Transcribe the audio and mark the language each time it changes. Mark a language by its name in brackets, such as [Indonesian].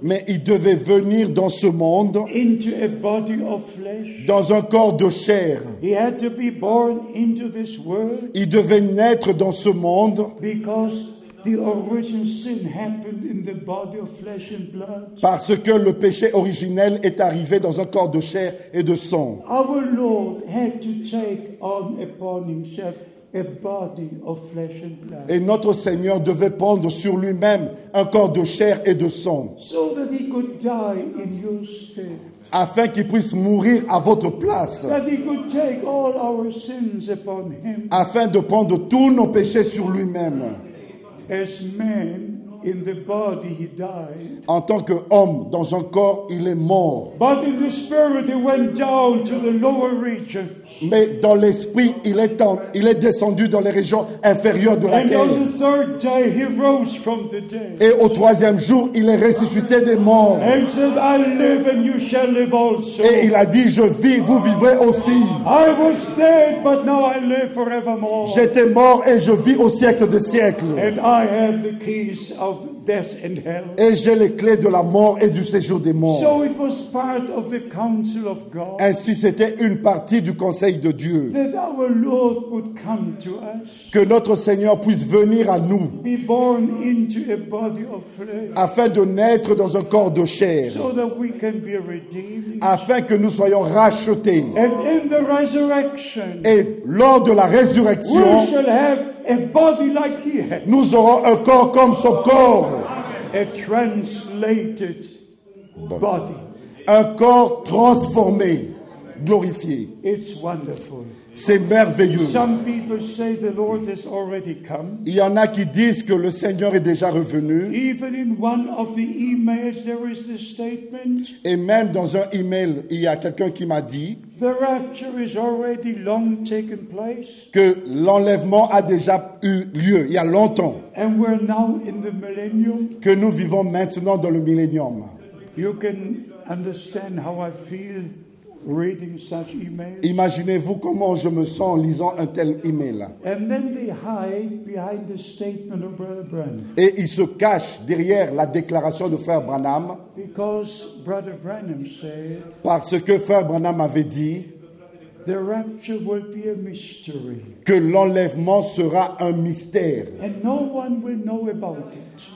[French] mais il devait venir dans ce monde, [English] into a body of flesh, [French] dans un corps de chair. [English] He had to be born into this world, [French] il devait naître dans ce monde, [English] because the original sin happened in the body of flesh and blood, [French] parce que le péché originel est arrivé dans un corps de chair et de sang. [English] Our Lord had to take on upon himself a body of flesh and blood. [French] Et notre Seigneur devait prendre sur lui-même un corps de chair et de sang. [English] So that he could die in your stead. [French] Afin qu'il puisse mourir à votre place. [English] That he could take all our sins upon him. [French] Afin de prendre tous nos péchés sur lui-même. [English] As man, in the body he died. [French] En tant qu'homme, dans un corps, il est mort. [English] But in the spirit, he went down to the lower regions. [French] Mais dans l'esprit, il est descendu dans les régions inférieures de la [English] and [French] terre. [English] On the third day, he rose from the dead. [French] Et au troisième jour, il est ressuscité des morts. [English] And said, I live and you shall live also. [French] Et il a dit, je vis, vous vivrez aussi. [English] I was dead, but now I live forevermore. [French] J'étais mort et je vis au siècle des siècles. [English] And I have the keys of death and hell. [French] Et j'ai les clés de la mort et du séjour des morts. [English] So it was part of the counsel of God. [French] Ainsi, c'était une partie du conseil de Dieu. [English] That our Lord would come to us. [French] Que notre Seigneur puisse venir à nous. [English] Be born into a body of flesh. [French] Afin de naître dans un corps de chair. [English] So that we can be redeemed. [French] Afin que nous soyons rachetés. [English] And in the resurrection. [French] Et lors de la résurrection, [English] we shall have a body like he had. [French] Nous aurons un corps comme son corps. [English] A translated body. [French] Un corps transformé, glorifié. [English] It's wonderful. [French] C'est merveilleux. [English] Some people say the Lord has already come. [French] Il y en a qui disent que le Seigneur est déjà revenu. [English] Even in one of the emails, there is this statement. [French] Et même dans un email, il y a quelqu'un qui m'a dit, [English] the rapture is already long taken place. [French] Que l'enlèvement a déjà eu lieu il y a longtemps. [English] And we're now in the millennium. [French] Que nous vivons maintenant dans le millénium. [English] You can understand how I feel reading such emails. [French] Imaginez-vous comment je me sens en lisant un tel email. [English] And then they hide behind the statement of Brother Branham. [French] Et ils se cachent derrière la déclaration de Frère Branham. [English] Because Brother Branham said, [French] parce que Frère Branham avait dit, [English] the rapture will be a mystery. [French] Que l'enlèvement sera un mystère. [English] And no one will know about it.